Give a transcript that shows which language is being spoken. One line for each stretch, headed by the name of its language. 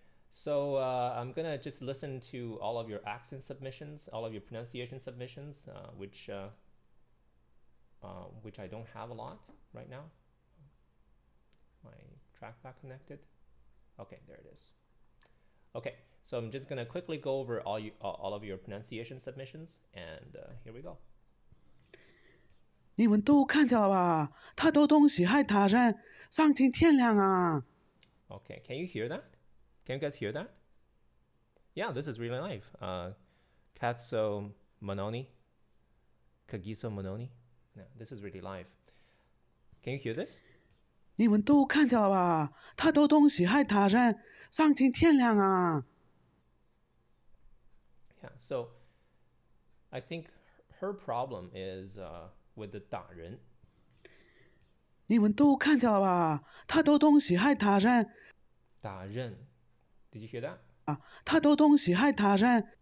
English: So I'm gonna just listen to all of your accent submissions, all of your pronunciation submissions, which I don't have a lot right now. My trackpad connected. Okay, there it is. Okay. So I'm just gonna quickly go over all of your pronunciation submissions, and here we go.
Chinese: 你们都看见了吧？太多东西，害他人丧尽天良啊！
English: Okay, can you hear that? Can you guys hear that? Yeah, this is really live. Kagiso Mononi. Kagiso Mononi. Yeah, this is really live. Can you hear this?
Chinese: 你们都看见了吧？太多东西，害他人丧尽天良啊！
English: Yeah, so I think her problem is with the 打人。
Chinese: 你们都看见了吧？太多东西害他人，
English: 打人，Did you hear that?
Chinese: 啊，太多东西害他人。